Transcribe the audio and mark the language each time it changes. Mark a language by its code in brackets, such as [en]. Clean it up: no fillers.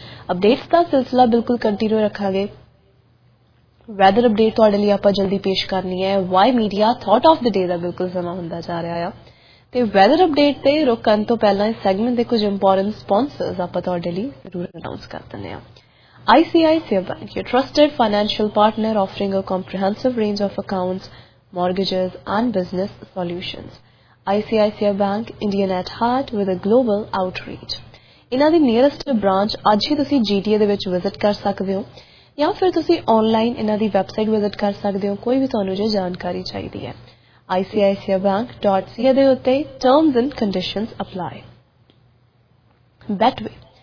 [pa] Updates ਦਾ ਸਿਲਸਿਲਾ ਬਿਲਕੁਲ continue ਰੱਖਾਂਗੇ। ਵੈਦਰ ਅਪਡੇਟ ਤੁਹਾਡੇ ਲਈ ਆਪਾਂ ਜਲਦੀ ਪੇਸ਼ ਕਰਨੀ ਹੈ। Y media thought of the ਡੇ ਦਾ ਬਿਲਕੁਲ ਸਮਾਂ ਹੁੰਦਾ ਜਾ ਰਿਹਾ ਆ ਤੇ ਵੈਦਰ ਅਪਡੇਟ ਤੇ ਰੁਕਣ ਤੋਂ ਪਹਿਲਾਂ ਇਸ ਸੈਗਮੈਂਟ ਦੇ ਕੁਝ ਇੰਪੋਰਟੈਂਟ ਸਪੋਂਸਰਸ ਆਪਾਂ ਤੁਹਾਡੇ ਲਈ ਜ਼ਰੂਰ ਅਨਾਊਂਸ ਕਰ ਦਿੰਦੇ ਹਾਂ। [en] ICICI Bank, your trusted financial partner offering a comprehensive range of accounts, mortgages and business solutions. ICICI Bank, Indian at heart with a global outreach. [pa] ਇਨਾ ਦੀ ਨੀਅਰੈਸਟ ਬ੍ਰਾਂਚ ਅੱਜ ਹੀ ਤੁਸੀਂ GTA ਦੇ ਵਿੱਚ ਵਿਜ਼ਿਟ ਕਰ ਸਕਦੇ ਹੋ ਜਾਂ ਫਿਰ ਤੁਸੀਂ ਆਨਲਾਈਨ ਇਨਾ ਦੀ ਵੈਬਸਾਈਟ ਵਿਜ਼ਿਟ ਕਰ ਸਕਦੇ ਹੋ ਕੋਈ ਵੀ ਤੁਹਾਨੂੰ ਜੇ ਜਾਣਕਾਰੀ ਚਾਹੀਦੀ ਹੈ ICICIbank.ca ਦੇ ਉੱਤੇ [en] terms and conditions apply [pa] ਬੈਟਵੇ